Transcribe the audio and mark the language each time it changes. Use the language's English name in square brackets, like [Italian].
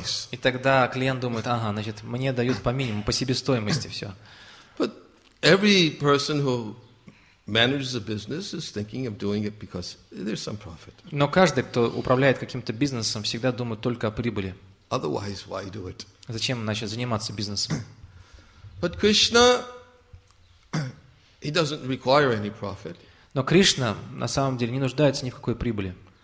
[Russian] И тогда клиент думает: ага, значит, мне дают по минимуму, по себестоимости все. [English] But every person who manages a business is thinking of doing it because there's some profit. [Russian] Но каждый, кто управляет каким-то бизнесом, всегда думает только о прибыли. [English] Otherwise, why do it? [Russian] Зачем начать заниматься бизнесом? [English] But Krishna, he doesn't require any profit. [Russian] Но Кришна на самом деле не нуждается ни в какой прибыли.